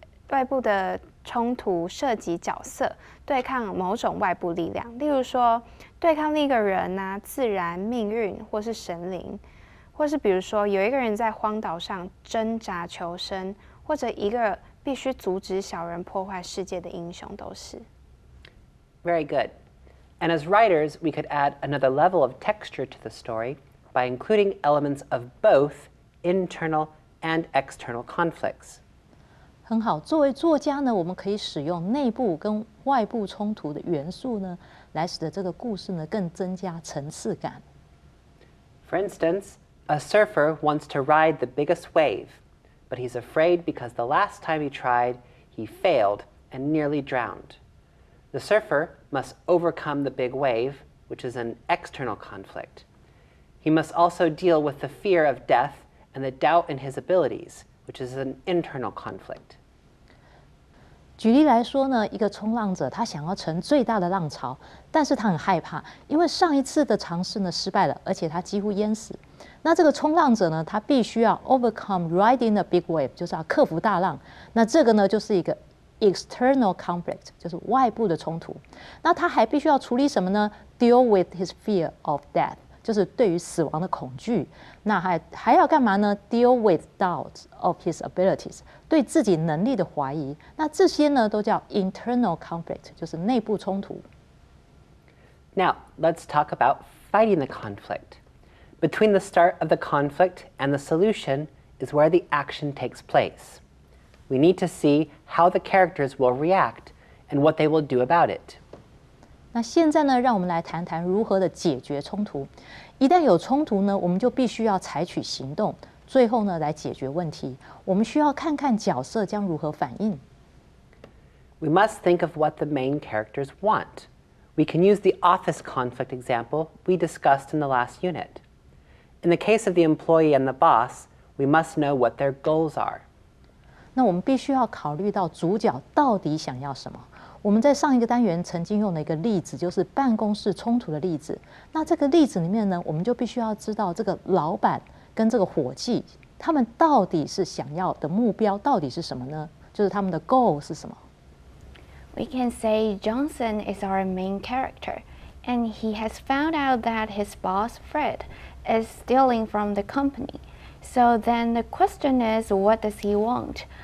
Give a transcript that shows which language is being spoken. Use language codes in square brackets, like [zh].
[zh] 外部的冲突涉及角色对抗某种外部力量，例如说对抗另一个人啊，自然、命运或是神灵。或是比如说有一个人在荒岛上挣扎求生，或者一个必须阻止小人破坏世界的英雄都是。 [en] Very good. And as writers, we could add another level of texture to the story by including elements of both internal and external conflicts. [zh] 很好，作为作家呢，我们可以使用内部跟外部冲突的元素呢，来使得这个故事呢更增加层次感。 [en] For instance,A surfer wants to ride the biggest wave, but he's afraid because the last time he tried, he failed and nearly drowned. The surfer must overcome the big wave, which is an external conflict. He must also deal with the fear of death and the doubt in his abilities, which is an internal conflict. [zh] 举例来说呢，一个冲浪者他想要乘最大的浪潮，但是他很害怕，因为上一次的尝试呢失败了，而且他几乎淹死。那这个冲浪者呢，他必须要 [en] overcome riding the big wave， [zh] 就是要克服大浪。那这个呢，就是一个 [en] external conflict， [zh] 就是外部的冲突。那他还必须要处理什么呢？ [en] Deal with his fear of death， [zh] 就是对于死亡的恐惧。那还要干嘛呢？ [en] Deal with doubts of his abilities， [zh] 对自己能力的怀疑。那这些呢，都叫 [en] internal conflict， [zh] 就是内部冲突。 [en] Now let's talk about fighting the conflict. Between the start of the conflict and the solution is where the action takes place. We need to see how the characters will react and what they will do about it. [zh] 那现在呢，让我们来谈谈如何的解决冲突。一旦有冲突呢，我们就必须要采取行动，最后呢来解决问题。我们需要看看角色将如何反应。 [en] We must think of what the main characters want. We can use the office conflict example we discussed in the last unit. In the case of the employee and the boss, we must know what their goals are. [zh] 那我们必须要考虑到主角到底想要什么。我们在上一个单元曾经用了一个例子，就是办公室冲突的例子。那这个例子里面呢，我们就必须要知道这个老板跟这个伙计，他们到底是想要的目标到底是什么呢？就是他们的 goal 是什么？ [en] We can say Johnson is our main character, and he has found out that his boss, Fred, is stealing from the company. So then the question is, what does he want?